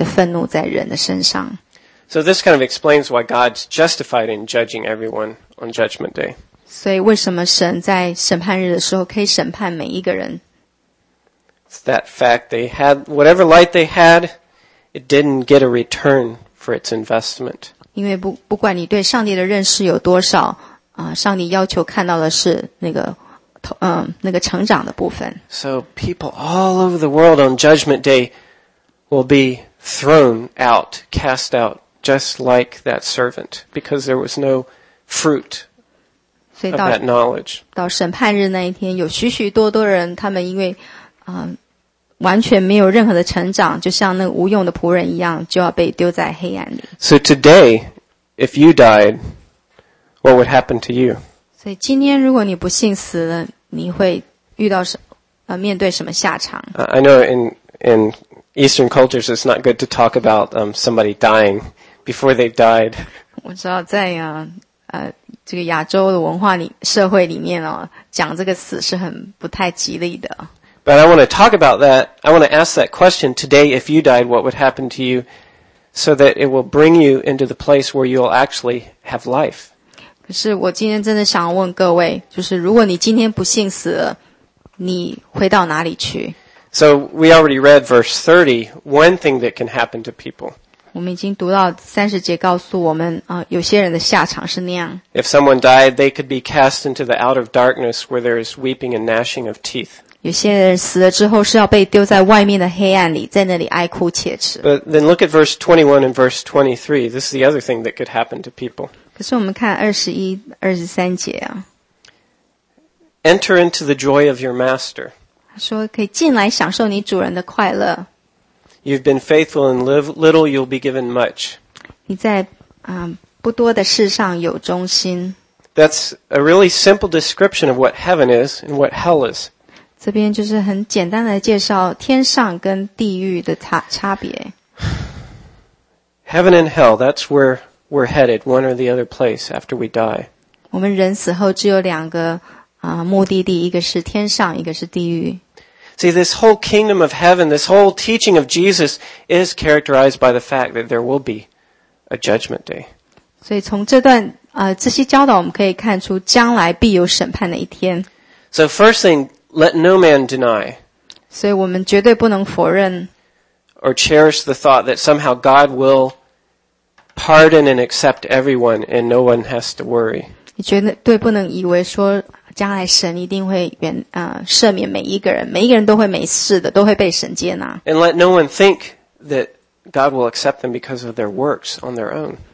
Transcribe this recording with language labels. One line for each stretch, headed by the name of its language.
English: So this kind of explains why God's justified in judging everyone on Judgment Day.
Chinese: 所以为什么神在审判日的时候可以审判每一个人？
English: It's that fact they had, whatever light they had, it didn't get a return for its investment.
Chinese: 因为不管你对上帝的认识有多少，上帝要求看到的是那个那个成长的部分。
English: So people all over the world on Judgment Day will be thrown out, cast out, just like that servant, because there was no fruit of that knowledge.
Chinese: 到审判日那一天，有许许多多人，他们因为完全没有任何的成长，就像那个无用的仆人一样，就要被丢在黑暗里。
English: So today, if you died, what would happen to you?
Chinese: 所以今天如果你不幸死了，你会遇到面对什么下场
English: ？I know in Eastern cultures it's not good to talk about somebody dying before they've died.
Chinese: 我知道在这个亚洲的文化里社会里面哦，讲这个死是很不太吉利的。
English: But I want to talk about that. I want to ask that question today. If you died, what would happen to you? So that it will bring you into the place where you'll actually have life.
Chinese: 可是我今天真的想要问各位，就是如果你今天不幸死了，你会到哪里去
English: ？So we already read verse 30. One thing that can happen to people.
Chinese: 我们已经读到三十节，告诉我们有些人的下场是那样。
English: If someone died, they could be cast into the outer darkness where there is weeping and gnashing of teeth.
Chinese: 有些人死了之后是要被丢在外面的黑暗里，在那里哀哭切齿。
English: But then look at verse 21 and verse 23. This is the other thing that could happen to people.
Chinese: 可是我们看21-23节啊。
English: Enter into the joy of your master.
Chinese: 他说可以进来享受你主人的快乐。
English: You've been faithful in little, you'll be given much.
Chinese: 你在不多的事上有忠心。
English: That's a really simple description of what heaven is and what hell is.
Chinese: 这边就是很简单的介绍天上跟地狱的差别。
English: Heaven and hell, that's where we're headed, one or the other place after we die.
Chinese: 我们人死后只有两个目的地，一个是天上，一个是地狱。
English: See, this whole kingdom of heaven, this whole teaching of Jesus is characterized by the fact that there will be a judgment day.
Chinese: 所以从这段这些教导我们可以看出将来必有审判的一天。
English: So first thing, let no man deny.
Chinese: 所以我们绝对不能否认。
English: or cherish the thought that somehow God will pardon and accept everyone and no one has to worry.
Chinese: 你觉得对不能以为说将来神一定会原赦免每一个人，每一个人都会没事的，都会被神接纳。
English: And let no one think that God will accept them because of their works on their own.